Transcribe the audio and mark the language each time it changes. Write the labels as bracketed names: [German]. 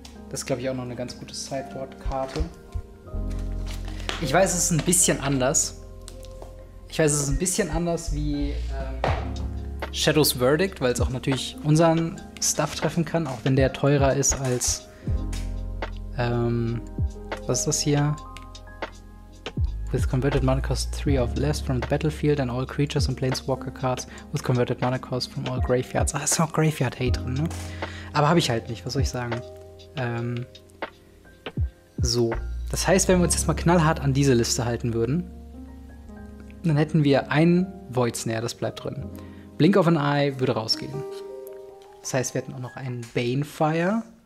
[German] Das ist, glaube ich, auch noch eine ganz gute Sideboard-Karte. Ich weiß, es ist ein bisschen anders. Ich weiß, es ist ein bisschen anders wie Shadow's Verdict, weil es auch natürlich unseren Stuff treffen kann, auch wenn der teurer ist als was ist das hier? [English] With converted mana cost 3 or less from the battlefield and all creatures and planeswalker cards with converted mana cost from all graveyards. [German] Ah, ist auch Graveyard Hate drin, ne? Aber habe ich halt nicht, was soll ich sagen? So. Das heißt, wenn wir uns jetzt mal knallhart an diese Liste halten würden, dann hätten wir einen Void Snare, das bleibt drin. Blink of an Eye würde rausgehen. Das heißt, wir hätten auch noch einen Banefire.